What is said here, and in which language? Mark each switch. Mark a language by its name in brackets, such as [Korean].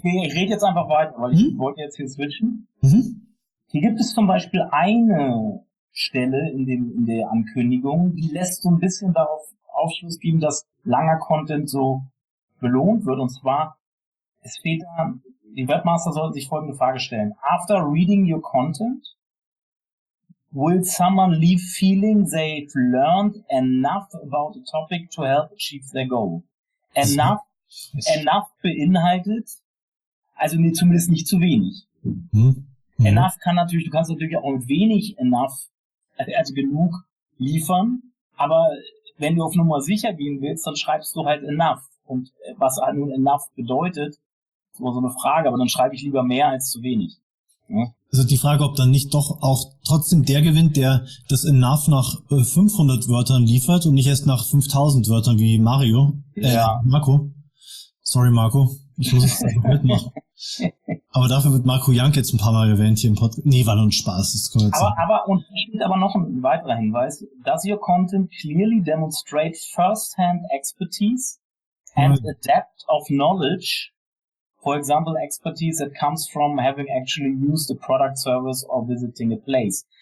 [German] Ich rede jetzt einfach weiter, weil ich wollte jetzt hier switchen. Hier gibt es zum Beispiel eine Stelle in der Ankündigung, die lässt so ein bisschen darauf Aufschluss geben, dass langer Content so belohnt wird, und zwar: Es fehlt da, die Webmaster sollten sich folgende Frage stellen. [English] After reading your content, will someone leave feeling they've learned enough about the topic to help achieve their goal? [German] Enough beinhaltet, also nee, zumindest nicht zu wenig. Enough kann natürlich, du kannst natürlich auch wenig enough, also genug liefern, aber wenn du auf Nummer sicher gehen willst, dann schreibst du halt enough. Und was nun enough bedeutet, immer so eine Frage, aber dann schreibe ich lieber mehr als zu wenig. Ja? Also die Frage, ob dann nicht doch auch trotzdem der gewinnt, der das enough nach 500 Wörtern liefert und nicht erst nach 5000 Wörtern wie Mario. Marco. Sorry, Marco. Ich muss es einfach mitmachen. Aber dafür wird Marco Jank jetzt ein paar Mal erwähnt hier im Podcast. Nee, war nur ein Spaß. Das können wir jetzt aber, und hier steht aber noch ein weiterer Hinweis. [English] Does your content clearly demonstrate first-hand expertise and a depth of knowledge? For example, expertise that comes from having actually used a product, service or visiting a place.